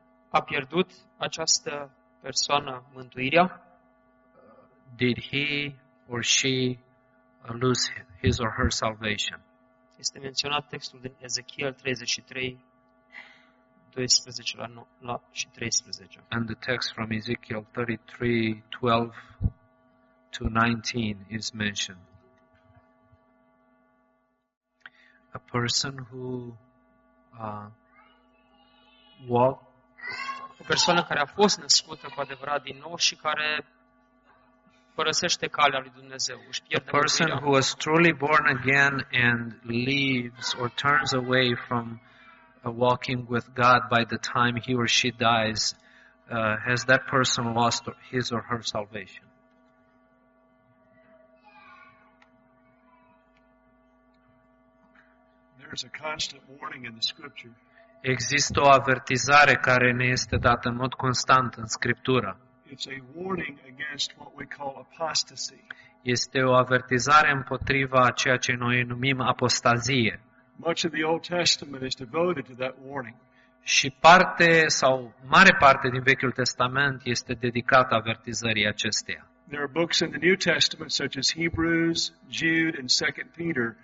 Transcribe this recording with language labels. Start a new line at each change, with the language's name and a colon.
Romanian: A pierdut această persoană mântuirea?
English: Did he or she lose his or her salvation?
Romanian: Este menționat textul din Ezechiel 33, 12 la 9 și 13.
English: And the text from Ezechiel 33, 12 to 19 is mentioned. A person who
Romanian: o persoană care a fost născută cu adevărat din nou și care părăsește calea lui Dumnezeu, își pierde mântuirea.
English: A person who was truly born again and leaves or turns away from walking with God by the time he or she dies, has that person lost his or her salvation? There's a constant warning in the scripture.
Romanian: Există o avertizare care ne este dată în mod constant în Scriptură.
English: It's a warning against what we call apostasy.
Romanian: Este o avertizare împotriva ceea ce noi numim apostazie.
English: Much of the Old Testament is devoted to that warning.
Romanian: Și parte sau mare parte din Vechiul Testament este dedicată avertizării acesteia.
English: There are books in the New Testament such as Hebrews, Jude and 2 Peter.